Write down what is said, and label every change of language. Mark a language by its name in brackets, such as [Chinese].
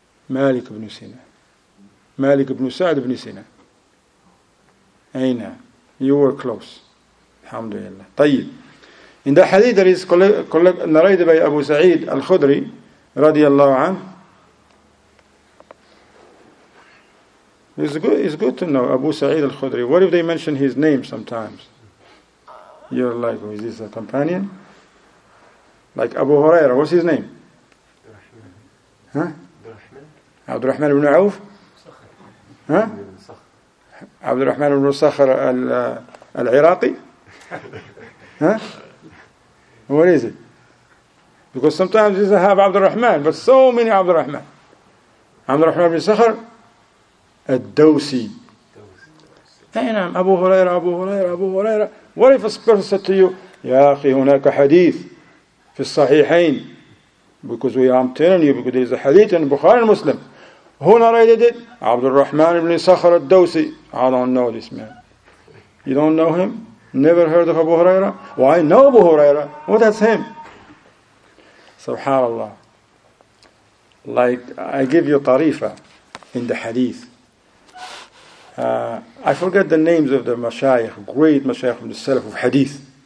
[Arabic] مالك بن سينا، مالك بن سعد بن سينا. [English] أينا؟ You were close. [Arabic] الحمد لله. طيب. [English] In the hadith that is narrated by Abu Sa'id al-Khudri رضي الله عنه. It's good to know Abu Sa'id al-Khudri. What if they mention his name sometimes? You're like, is this a companion? Like Abu Huraira, what's his name? Huh? [Arabic] عبد الرحمن بن عوف ها عبد الرحمن بن صخر العراقي ها [English] what is it because sometimes you have [Arabic] عبد الرحمن [English] but so many [Arabic] عبد الرحمن عبد الرحمن بن صخر الدوسي اي نعم ابو هريره [English] ابو هريره ابو هريره what if a person said to you [Arabic] يا اخي هناك حديث في الصحيحين [English] because we are telling you because there is a hadith in البخاري المسلم Who narrated it? [Arabic] عبد الرحمن بن صخر الدوسي. [English] I don't know this man. You don't know him? Never heard of Abu Huraira? Well, I know Abu Huraira. Well, that's him. SubhanAllah. Like, I give you tarifa in the hadith. I forget the names of the mashayikh, great mashayikh from the Salaf of hadith.